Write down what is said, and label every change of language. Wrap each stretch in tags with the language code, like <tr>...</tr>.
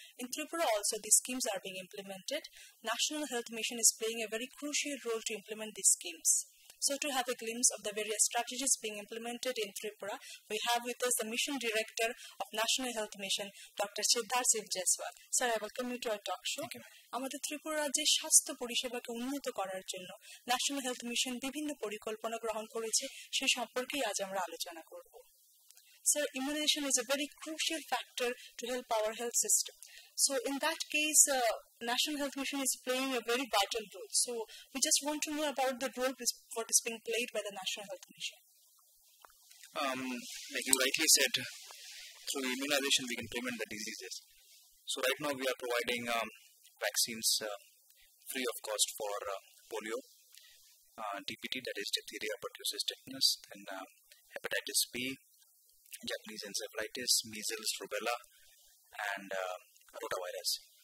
<en>In Tripura also, these schemes are being implemented. National Health Mission is playing a very crucial role to implement these schemes. So to have a glimpse of the various strategies being implemented in Tripura, we have with us the Mission Director of National Health Mission, Dr. Siddharth Singh Jaiswal. Sir, I welcome you to our talk show. Thank you.</en> <bn>আমাদের ত্রিপুরা রাজ্যে স্বাস্থ্য পরিষেবাকে উন্নত করার জন্য national health mission বিভিন্ন পরিকল্পনা গ্রহণ করেছে, সে সম্পর্কে আজ আমরা আলোচনা করব।</bn> <en>Sir, immunization is a very crucial factor to help our health system, so in that case national health mission is playing a very vital role, so we just want to know about the role what is being played by the national health mission. Like you rightly said, through immunization we can prevent the diseases. So right now we are providing vaccines free of cost for polio, DPT, that is diphtheria, pertussis, tetanus, and hepatitis B, Japanese encephalitis, measles, rubella, and rotavirus.</en>